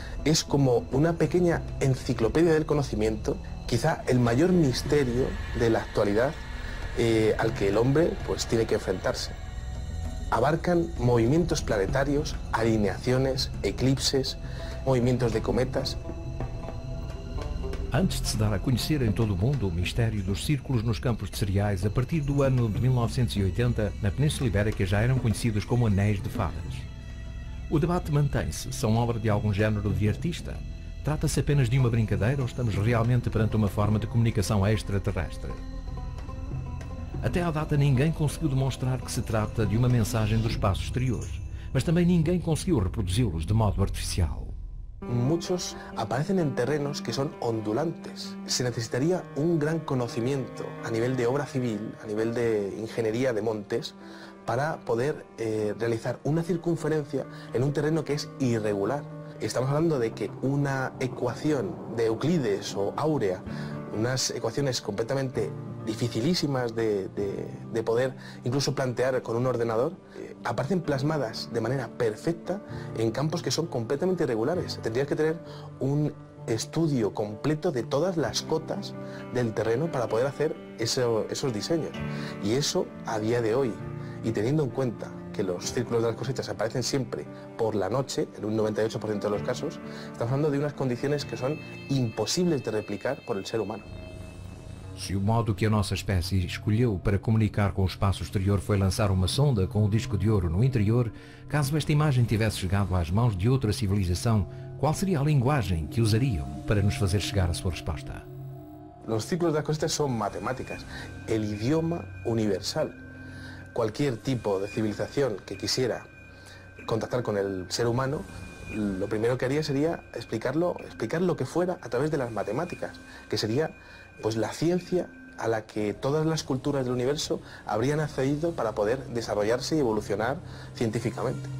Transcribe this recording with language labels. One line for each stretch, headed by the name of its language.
Spanish: Es como una pequeña enciclopedia del conocimiento, quizá el mayor misterio de la actualidad al que el hombre pues, tiene que enfrentarse. Abarcan movimientos planetarios, alineaciones, eclipses, movimientos de cometas.
Portuguese: Antes de se dar a conhecer em todo o mundo o mistério dos círculos nos campos de cereais, a partir do ano de 1980, na Península Ibérica já eram conhecidos como anéis de fadas. O debate mantém-se. São obra de algum género de artista? Trata-se apenas de uma brincadeira ou estamos realmente perante uma forma de comunicação extraterrestre? Até à data, ninguém conseguiu demonstrar que se trata de uma mensagem do espaço exterior, mas também ninguém conseguiu reproduzi-los de modo artificial.
Spanish: Muchos aparecen en terrenos que son ondulantes. Se necesitaría un gran conocimiento a nivel de obra civil, a nivel de ingeniería de montes, para poder realizar una circunferencia en un terreno que es irregular. Estamos hablando de que una ecuación de Euclides o Áurea, unas ecuaciones completamente dificilísimas de poder incluso plantear con un ordenador, aparecen plasmadas de manera perfecta en campos que son completamente irregulares. Tendrías que tener un estudio completo de todas las cotas del terreno para poder hacer esos diseños. Y eso a día de hoy, y teniendo en cuenta que los círculos de las cosechas aparecen siempre por la noche, en un 98% de los casos, estamos hablando de unas condiciones que son imposibles de replicar por el ser humano.
Portuguese: Se o modo que a nossa espécie escolheu para comunicar com o espaço exterior foi lançar uma sonda com um disco de ouro no interior, caso esta imagem tivesse chegado às mãos de outra civilização, qual seria a linguagem que usariam para nos fazer chegar a sua resposta? Os ciclos das costas são matemáticas, o idioma universal. Qualquer tipo de civilização que quisiera contactar com o ser humano,
Spanish: lo primero que haría sería explicar lo que fuera a través de las matemáticas, que sería pues la ciencia a la que todas las culturas del universo habrían accedido para poder desarrollarse y evolucionar científicamente.